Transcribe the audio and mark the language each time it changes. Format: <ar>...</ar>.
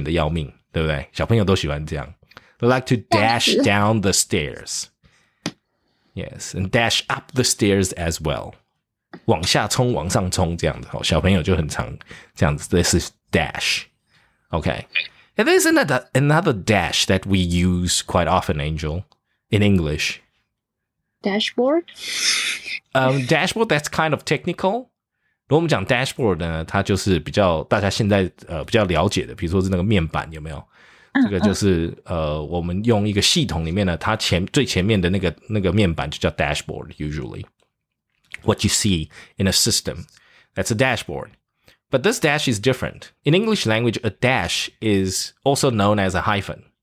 <zh>所以呢，这个小朋友呢，这个从这个楼上冲刺到楼下的时候，哇，危险的要命，对不对？小朋友都喜欢这样。</zh> <en>They like to dash down the stairs. Yes, and dash up the stairs as well.</en> <zh>往下冲，往上冲，这样子哦，小朋友就很常这样子。</zh> <en>This is dash. Okay. And there's another dash that we use quite often, Angel, in English. Dashboard? Dashboard, that's kind of technical.</en> <zh>如果我们讲 dashboard 呢，它就是比较大家现在比较了解的，比如说是那个面板有没有？这个就是我们用一个系统里面呢，它最前面的那个面板就叫 dashboard.</zh> <en>Usually, what you see in a system, that's a dashboard. But this dash is different. In English language, a dash is also known as a hyphen.</en>